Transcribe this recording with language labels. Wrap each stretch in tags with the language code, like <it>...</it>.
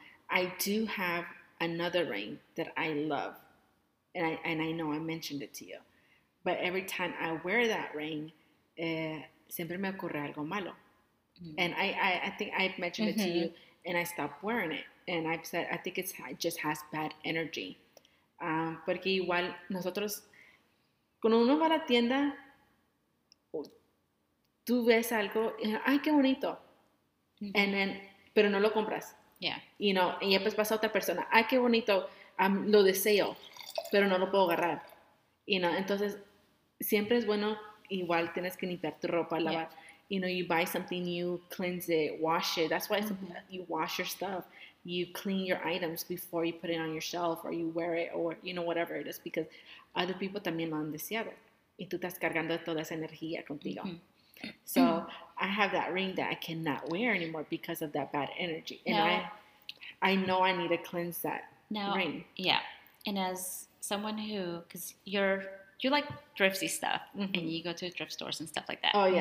<en>I do have another ring that I love. And I know I mentioned it to you. But every time I wear that ring,</en> <es>siempre me ocurre algo malo.</es> <en>Mm-hmm. And I think I've mentioned, mm-hmm, it to you, and I stopped wearing it. And I've said, I think it just has bad energy.</en> <es>Porque igual nosotros, cuando uno va a la tienda, tú ves algo, ay, qué bonito. Mm-hmm.</es> <en>And then,</en> <es>pero no lo compras.</es> <en>Yeah.</en> <es>You know, y después pasa a otra persona, ay, qué bonito, lo deseo, pero no lo puedo agarrar. You know, entonces, siempre es bueno, igual tienes que limpiar tu ropa, lavar. Yeah.</es> <en>You know, you buy something, you cleanse it, wash it. That's why, mm-hmm, it's important. You wash your stuff. You clean your items before you put it on your shelf or you wear it or, you know, whatever it is, because other people</en> <es>también lo han deseado. Y tú estás cargando toda esa energía contigo. Mm-hmm.</es> <en>So, mm-hmm, I have that ring that I cannot wear anymore because of that bad energy. And now, I know I need to cleanse that now, ring. Yeah. And as someone who, because you like thrifty stuff, mm-hmm, and you go to thrift stores and stuff like that. Oh, yeah.</en>